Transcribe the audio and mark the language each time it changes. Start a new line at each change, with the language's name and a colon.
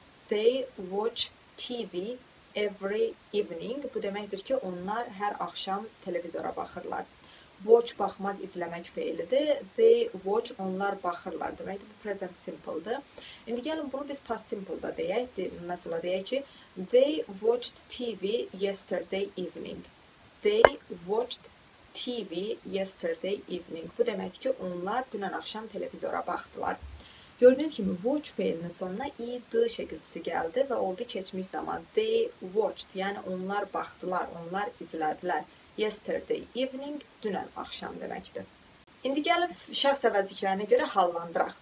English: They watch TV every evening.
Azerbaijani: Bu deməkdir ki, onlar hər axşam televizora baxırlar. Watch, baxmaq, izləmək feilidir.
English: They watch,
Azerbaijani: onlar baxırlar. Deməkdir, bu present simple-dır. İndi gəlin, bunu biz past simple-da deyək. Məsələ deyək ki,
English: they watched TV yesterday evening. They watched TV yesterday evening.
Azerbaijani: Bu deməkdir ki, onlar dünən axşam televizora baxdılar. Gördüyünüz kimi, watch feilinin sonuna ed şəkilçisi gəldi və oldu keçmiş zaman.
English: They watched,
Azerbaijani: yəni onlar baxdılar, onlar izlədilər.
English: Yesterday evening,
Azerbaijani: dünən axşam deməkdir. İndi gəlin şəxs əvəzliklərinə görə hallandıraq.